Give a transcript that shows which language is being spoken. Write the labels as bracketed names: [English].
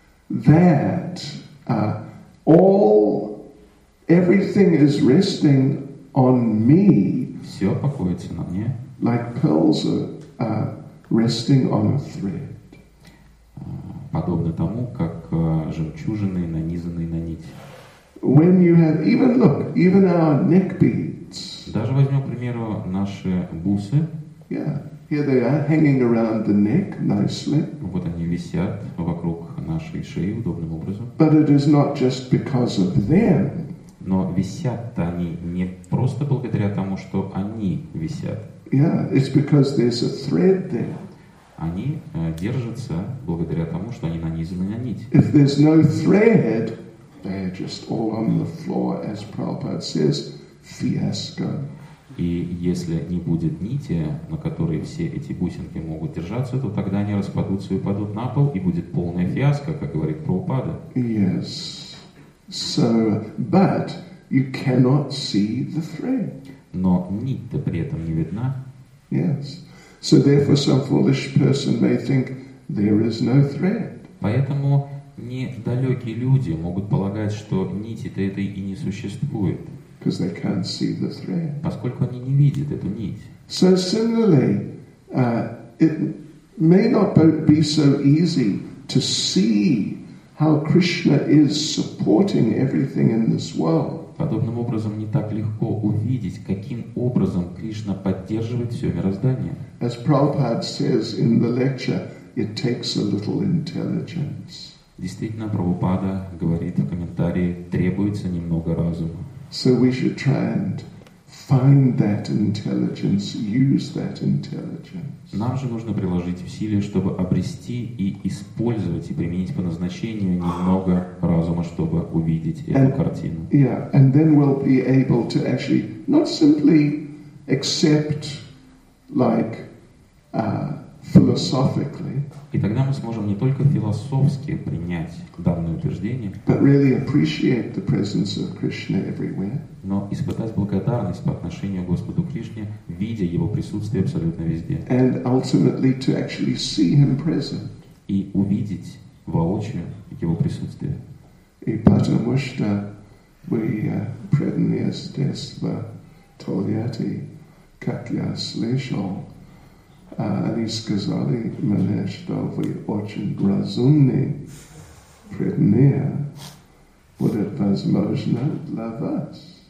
[English] That everything is resting on me. [Russian] Все покоится на мне. [English] Like pearls are resting on a thread. [Russian] Подобно тому, как жемчужины нанизанные на нить. [English] When you have even look, even our neck beads. [Russian] Даже возьмем, к примеру, наши бусы. [English] Yeah, here they are, hanging around the neck nicely. [Russian] Вот они висят вокруг нашей шеи удобным образом. [English] But it is not just because of them. [Russian] Но висят-то они не просто благодаря тому, что они висят. [English] Yeah, it's because there's a thread there. [Russian] Они держатся благодаря тому, что они нанизаны на нить. [English] If there's no thread, they're just all on the floor, as Prabhupada says, fiasco. [Russian] И если не будет нити, на которой все эти бусинки могут держаться, то тогда они распадутся и упадут на пол, и будет полная фиаско, как говорит Прабхупада. [English] Yes. So, but you cannot see the thread. [Russian] Но нить-то при этом не видна. [English] Yes. So therefore some foolish person may think there is no thread. [Russian] Поэтому недалекие люди могут полагать, что нити-то этой и не существует. [English] Because they can't see the thread. [Russian] Поскольку они не видят эту нить. [English] So similarly, it may not be so easy to see how Krishna is supporting everything in this world. [Russian] Подобным образом не так легко увидеть, каким образом Кришна поддерживает все мироздание. [English] As Prabhupada says in the lecture, it takes a little intelligence. [Russian] Действительно, Прабхупада говорит в комментарии, требуется немного разума. [English] So we should try and find that intelligence, use that intelligence. [Russian] Нам же нужно приложить усилия, чтобы обрести и использовать и применить по назначению немного разума, чтобы увидеть эту картину. [English] Yeah, and then we'll be able to actually not simply accept like philosophically. [Russian] И тогда мы сможем не только философски принять данное утверждение, [English] but really appreciate the presence of Krishna everywhere. [Russian] Но испытать благодарность по отношению к Господу Кришне, видя Его присутствие абсолютно везде. [English] And ultimately to actually see Him present. [Russian] И увидеть воочию Его присутствие. И потому что мы преданные с детства Тольятти, как я слышал, они сказали мне, что вы очень разумные преданные, будет возможно для вас.